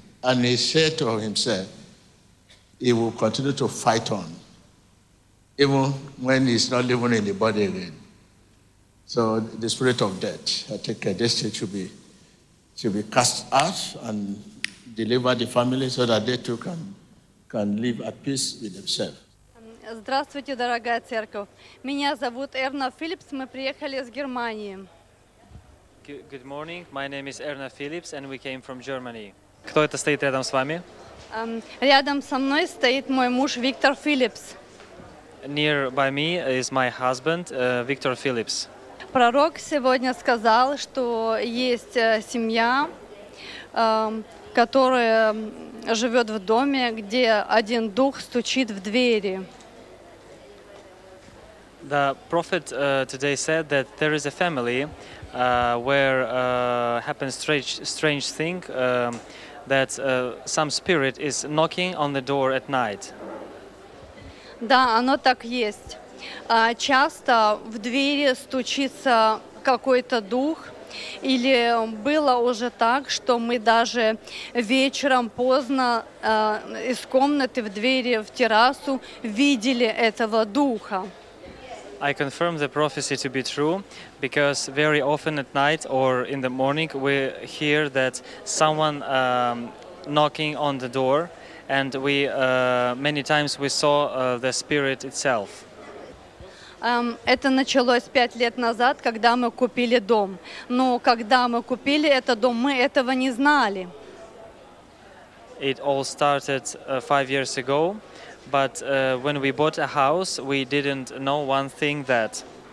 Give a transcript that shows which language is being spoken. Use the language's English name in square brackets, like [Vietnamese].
[English] And he said to himself, he will continue to fight on, even when he's not living in the body again. So the spirit of death, I think this thing should be cast out and deliver the family so that they too can live at peace with themselves. [Russian] Здравствуйте, дорогая церковь. Меня зовут Эрна Филлипс. Мы приехали из Германии. [English] Good morning. My name is Erna Phillips, and we came from Germany. [Russian] Кто это стоит рядом с вами? Рядом со мной стоит мой муж Виктор Филлипс. [English] Near by me is my husband, Victor Phillips. [Russian] Пророк сегодня сказал, что есть семья, которая живет в доме, где один дух стучит в двери. [English] The prophet today said that there is a family where happens strange thing that some spirit is knocking on the door at night. [Russian] Да, оно так есть. Часто в двери стучится какой-то дух, или было уже так, что мы даже вечером поздно из комнаты в двери в террасу видели этого духа. [English] I confirm the prophecy to be true, because very often at night or in the morning we hear that someone knocking on the door, and we many times we saw the spirit itself. [Russian] Это началось 5 лет назад, когда мы купили дом. Но когда мы купили этот дом, мы этого не знали. [English] It all started 5 years ago, but when we bought a house, we didn't know one thing that.